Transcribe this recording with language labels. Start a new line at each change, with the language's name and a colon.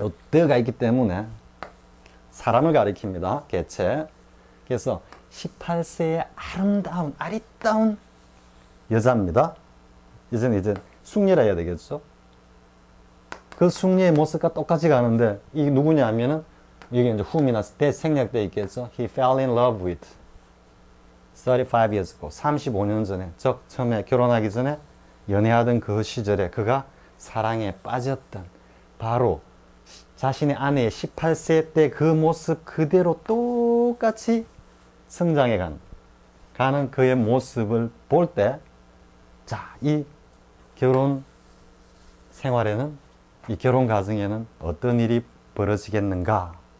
Korean: 더가 있기 때문에 사람을 가리킵니다. 개체. 그래서 18세의 아름다운 아리따운 여자입니다. 이제는 이제 숙녀라 해야 되겠죠. 그 숙녀의 모습과 똑같이 가는데 이게 누구냐 하면은 이게 이제 후미나 대 생략돼 있겠죠.
English: He fell in love with 35 years ago.
Korean: 35년 전에 즉 처음에 결혼하기 전에 연애하던 그 시절에 그가 사랑에 빠졌던 바로 자신의 아내의 18세 때그 모습 그대로 똑같이 성장해 가는 그의 모습을 볼 때, 자, 이 결혼 생활에는 이 결혼 가정에는 어떤 일이 벌어지겠는가?